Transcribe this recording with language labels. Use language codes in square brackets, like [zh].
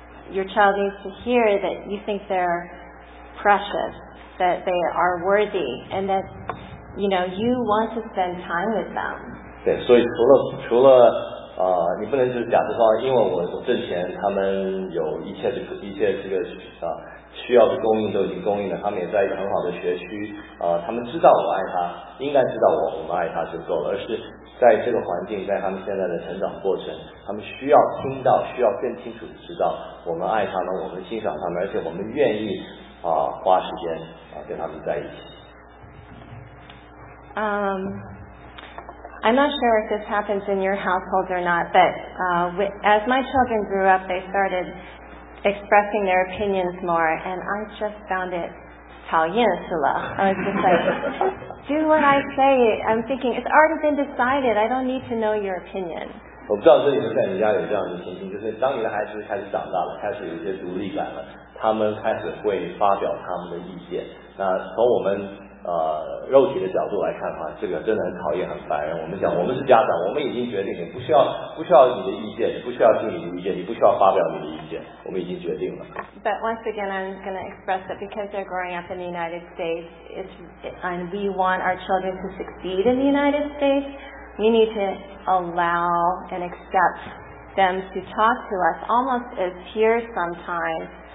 [en] Your child needs to hear that you think they're precious, that they are worthy, and that you know you want to spend time with them. [zh] 对，所以除了你不能就是假设说，因为我挣钱，他们有一切这个需要的供应都已经供应了，他们也在一个很好的学区，他们知道我爱他，应该知道我们爱他就够了。而是在这个环境，在他们现在的成长过程，他们需要听到，需要更清楚的知道，我们爱他们，我们欣赏他们，而且我们愿意花时间跟他们在一起。 [en] I'm not sure if this happens in your household or not, but as my children grew up, they started expressing their opinions more, and I just found it [zh] 讨厌是吧? [en] I was just like, do what I say. I'm thinking, it's already been decided. I don't need to know your opinion. [zh] 我不知道这里是在你家有这样的情形，就是当你的孩子开始长大了，开始有一些独立感了，他们开始会发表他们的意见。那从我们肉体的角度来看的话，这个真的很讨厌，很烦人。我们讲，我们是家长，我们已经决定，不需要你的意见，不需要听你的意见，你不需要发表你的意见，我们已经决定了。 [en] But once again, I'm going to express that because they're growing up in the United States, and we want our children to succeed in the United States, we need to allow and accept them to talk to us almost as peers sometimes.